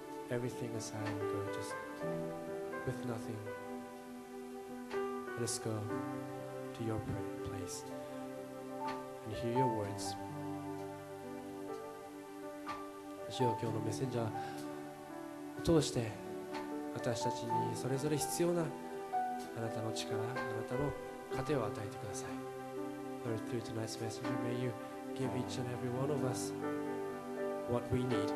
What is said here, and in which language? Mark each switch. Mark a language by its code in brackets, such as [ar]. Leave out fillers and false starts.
[en] Everything aside and go just with nothing. Let us go to your place and hear your words. [ja] 主よ、今日のメッセンジャーを通して私たちにそれぞれ必要なあなたの力、あなたの糧を与えてください。 [en] Lord, through tonight's messenger, may you give each and every one of us what we need.